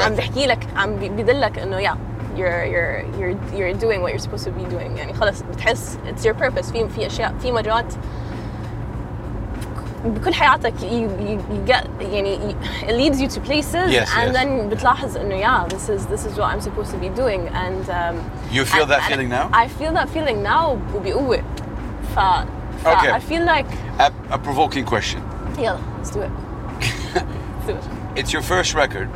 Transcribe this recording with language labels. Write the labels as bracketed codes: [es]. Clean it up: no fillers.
[ar] عم بحكي لك عم بيدلك إنه yeah. [en] You're doing what you're supposed to be doing. [ar] يعني خلاص بتحس [en] it's your purpose. [ar] في في أشياء في مرات بكل حياتك [en] you get يعني it leads you to places. Yes, and yes. Then [ar] بتلاحظ إنه [en] yeah this is what I'm supposed to be doing. And you feel that feeling now? I feel that feeling now [ar] وبقوة. [en] ف okay. I feel like a provoking question. Yeah, let's do it. It's your first record.